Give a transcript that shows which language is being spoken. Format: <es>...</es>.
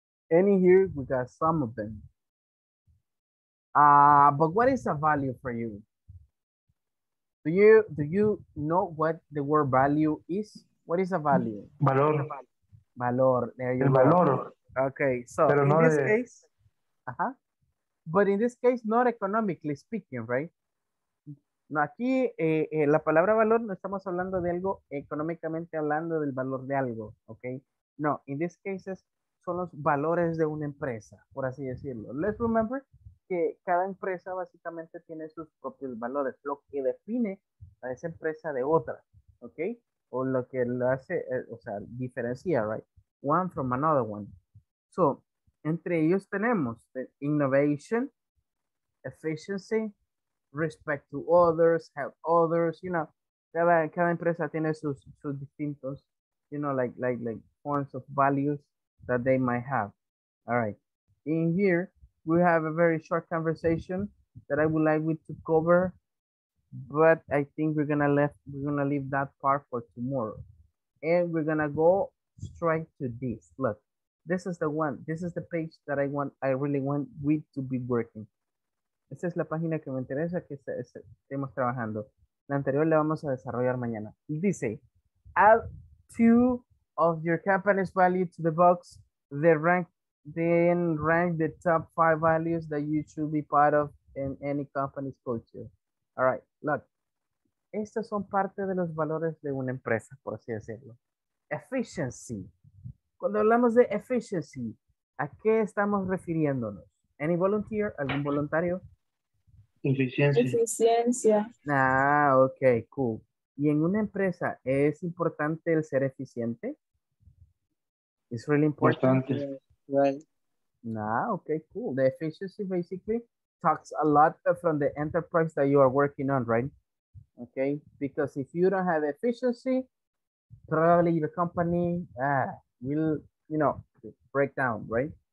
<en>And in here, we got some of them. But what is a value for you? Do you know what the word value is? What is a value?</en> <es>Valor.</es> <en>Valor, there you go. Valor. Okay, so pero in no this de... case, but in this case, not economically speaking, right?</en> <es>No, aquí la palabra valor no estamos hablando de algo económicamente hablando del valor de algo, ¿ok? No,</es> <en>in this case</en> <es>son los valores de una empresa, por así decirlo.</es> <en>Let's remember</en> <es>que cada empresa básicamente tiene sus propios valores, lo que define a esa empresa de otra, ¿ok? O lo que lo hace, o sea, diferencia, right?</es> <en>One from another one. So,</en> <es>entre ellos tenemos</es> <en>innovation, efficiency, respect to others, help others, you know,</en> <es>cada empresa tiene sus distintos,</es> <en>you know, like forms of values that they might have. All right. In here, we have a very short conversation that I would like to cover, but I think we're gonna leave that part for tomorrow. And we're gonna go straight to this. Look, this is the one, this is the page that I really want we to be working.</en> <es>Esta es la página que me interesa que estemos trabajando. La anterior la vamos a desarrollar mañana. Dice,</es> <en>add two of your company's value to the box, then rank the top five values that you should be part of in any company's culture. All right, look.</en> <es>Estos son parte de los valores de una empresa, por así decirlo. Efficiency. Cuando hablamos de efficiency, ¿a qué estamos refiriéndonos?</es> <en>Any volunteer?</en> <es>¿Algún voluntario? Eficiencia.</es> <en>Ah, ok, cool.</en> <es>¿Y en una empresa es importante el ser eficiente?</es> <en>It's really important.</en> <es>Importante.</es> <en>Ah, ok, cool. The efficiency basically talks a lot from the enterprise that you are working on, right? Okay, because if you don't have efficiency, probably your company will, you know, break down, right?</en>